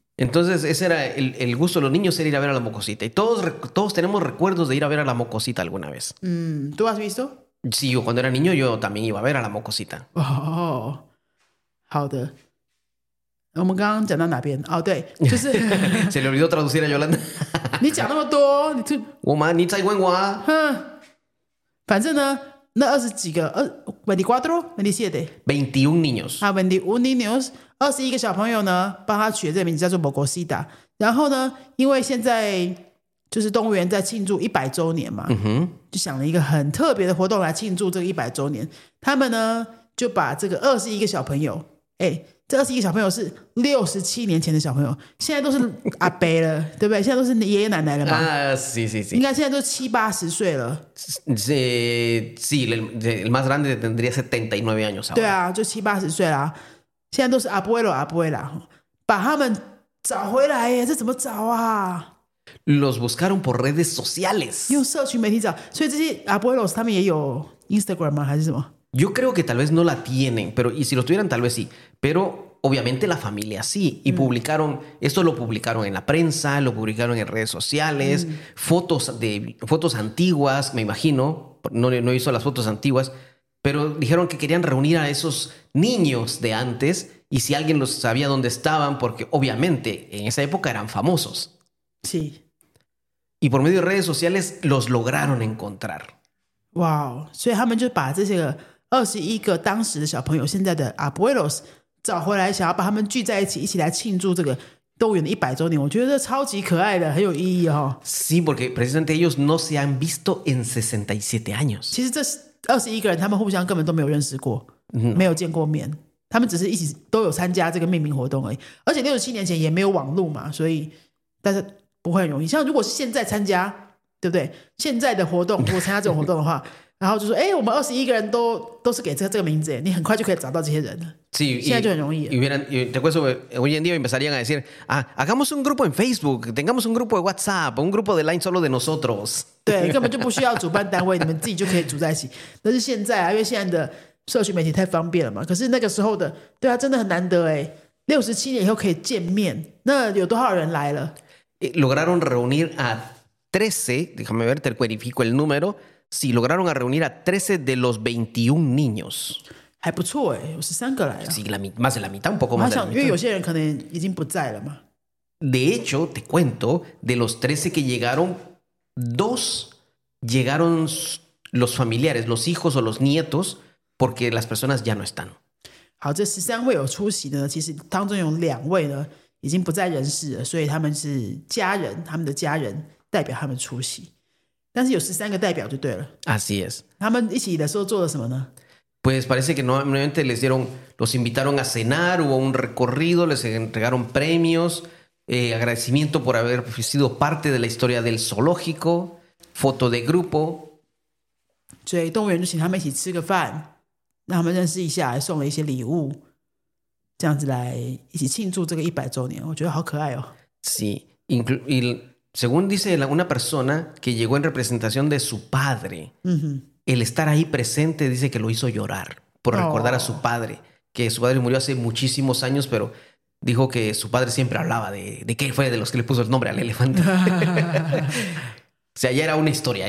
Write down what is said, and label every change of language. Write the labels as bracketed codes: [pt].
[es] Entonces, ese era el gusto de los niños, era ir a ver a la mocosita. Y todos tenemos recuerdos de ir a ver a la mocosita alguna vez. Mm. ¿Tú has visto? Sí, yo cuando era niño yo también iba a ver a la mocosita. [zh] Oh, 好的。我们刚刚讲到哪边？哦，对，就是 [es] se le olvidó traducir a Yolanda. [zh] 你讲那么多，你这我吗？你在问我？哼。反正呢，那二十几个，21 niños，二十一个小朋友呢，帮他取的这个名字叫做 Mocosita。然后呢，因为现在就是动物园在庆祝100周年嘛，嗯哼，就想了一个很特别的活动来庆祝这个100周年。他们呢，就把这个二十一个小朋友，这二十一个小朋友是67年前的小朋友，现在都是阿伯了，对不对？现在都是爷爷奶奶了吧？啊，是是是，应该现在都七八十岁了。是是 ， [es] el más grande tendría 79 años。 [zh] 对啊，就七八十岁啦，现在都是阿伯了，阿伯了，把他们找回来耶，这怎么找啊 [es] ？Los buscaron por redes sociales， [zh] 用社群媒体找，所以这些阿伯了他们也有 Instagram 吗？还是什么？ [es] Yo creo que tal vez no la tienen, pero, y si lo tuvieran, tal vez sí. Pero obviamente la familia sí. Y publicaron, esto lo publicaron en la prensa, lo publicaron en redes sociales, fotos antiguas, me imagino. No hizo las fotos antiguas, pero dijeron que querían reunir a esos niños de antes y si alguien los sabía dónde estaban, porque obviamente en esa época eran famosos. Sí. Y por medio de redes sociales los lograron encontrar. [en] Wow. So they just put this... [zh] 二十一个当时的小朋友，现在的 abuelos 找回来，想要把他们聚在一起，一起来庆祝这个动物园的100周年。我觉得这超级可爱的，很有意义哦。 [es] Sí, porque precisamente ellos no se han visto en 67 años。 [zh] 其实这二十一个人，他们互相根本都没有认识过，没有见过面，他们只是一起都有参加这个命名活动而已。而且67年前也没有网络嘛，所以但是不会很容易。像如果是现在参加，对不对？现在的活动，如果参加这种活动的话。然后就说，我们21个人都是给这个名字，你很快就可以找到这些人了。 [es] Sí, [zh] 现在就很容易。 [es] Te acuerdo, hoy en día empezarían a decir, hagamos un grupo en Facebook, tengamos un grupo de WhatsApp, un grupo de Line solo de nosotros. [zh] 对，根本就不需要主办单位，你们自己就可以组在一起。那是现在啊，因为现在的社群媒体太方便了嘛。可是那个时候的，对啊，真的很难得哎，67年以后可以见面，那有多少人来了 [es] ？Lograron reunir a 13, déjame ver, te verifico el número. Sí, lograron a reunir a 13 de los 21 niños. [zh] 还不错耶，有13个来了。 [es] Sí, más de la mitad, un poco más de la mitad. [zh] 因为有些人可能已经不在了嘛。 [es] De hecho, te cuento, de los 13 que llegaron, 2 llegaron los familiares, los hijos o los nietos, porque las personas ya no están. [zh] 好，这十三位有出席的呢，其实当中有两位呢已经不在人世了，所以他们是家人，他们的家人代表他们出席。但是有十三个代表就对了。 [es] Así es. [zh] 他们一起的时候做了什么呢？ [es] Pues parece que nuevamente les dieron, los invitaron a cenar, hubo un recorrido, les entregaron premios, agradecimiento por haber sido parte de la historia del zoológico, foto de grupo. [zh] 所以动物园就请他们一起吃个饭。让他们认识一下，送了一些礼物，这样子来一起庆祝这个一百周年，我觉得好可爱哦。 [es] Sí, y según dice una persona que llegó en representación de su padre, el estar ahí presente dice que lo hizo llorar por recordar a su padre, que su padre murió hace muchísimos años, pero dijo que su padre siempre hablaba de qué fue de los que le puso el nombre al elefante. O sea, ya era una historia.